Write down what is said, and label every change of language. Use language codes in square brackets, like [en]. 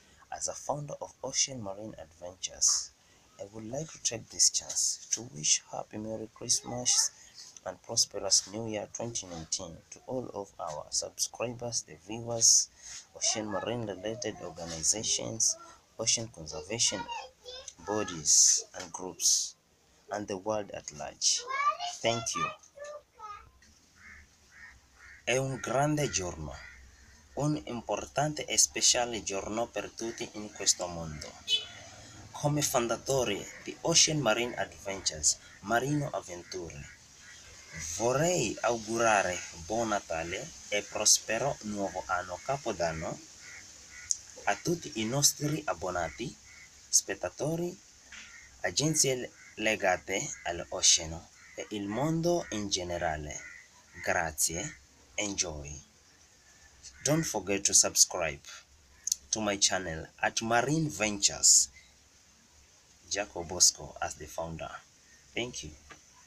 [en] As a founder of Ocean Marine Adventures, I would like to take this chance to wish Happy Merry Christmas and Prosperous New Year 2019 to all of our subscribers, the viewers, ocean marine related organizations, ocean conservation bodies and groups, and the world at large. Thank you. [it] È un grande giorno, un importante e speciale giorno per tutti in questo mondo. Come fondatore di Ocean Marine Adventures, Marino Aventure, vorrei augurare buon Natale e prospero nuovo anno Capodanno a tutti i nostri abbonati, spettatori, agenzie legate all'oceano e il mondo in generale. Grazie. [en] Enjoy. Don't forget to subscribe to my channel at Marine Ventures. Jacob Bosco as the founder. Thank you.